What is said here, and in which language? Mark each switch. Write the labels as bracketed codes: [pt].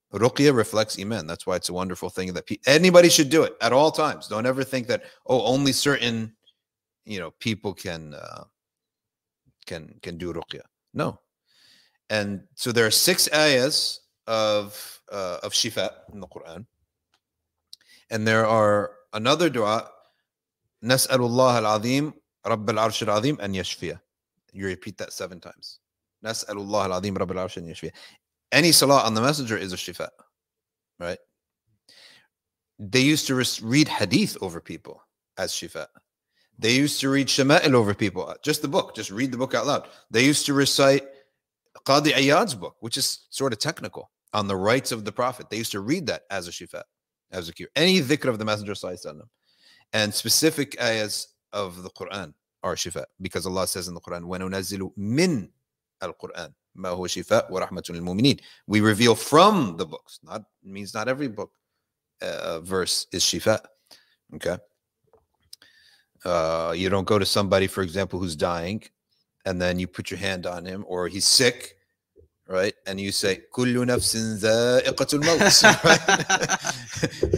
[en] Ruqya reflects Iman. That's why it's a wonderful thing that anybody should do it at all times. Don't ever think that, oh, only certain, you know, people can do Ruqya. No. And so there are six ayahs of Shifa in the Quran. And there are another dua, [ar] نسأل الله العظيم رب العرش العظيم أن يشفيه. [en] You repeat that seven times. [ar] نسأل الله العظيم رب العرش أن يشفيه. [en] Any salah on the messenger is a shifa, right? They used to read hadith over people as shifa. They used to read shama'il over people, just the book, just read the book out loud. They used to recite Qadi Ayyad's book, which is sort of technical, on the rights of the Prophet. They used to read that as a shifa, as a cure. Any dhikr of the messenger, sallallahu alayhi wa sallam, and specific ayahs of the Quran are shifa, because Allah says in the Quran, [ar] وَنُنَزِّلُ مِنْ الْقُرْآنِ ما هو شفاء ورحمة للمؤمنين. [en] We reveal from the books. Not means not every book verse is shifa. Okay. You don't go to somebody, for example, who's dying, and then you put your hand on him, or he's sick, right? And you say, [ar] كل نفس ذائقة الموت.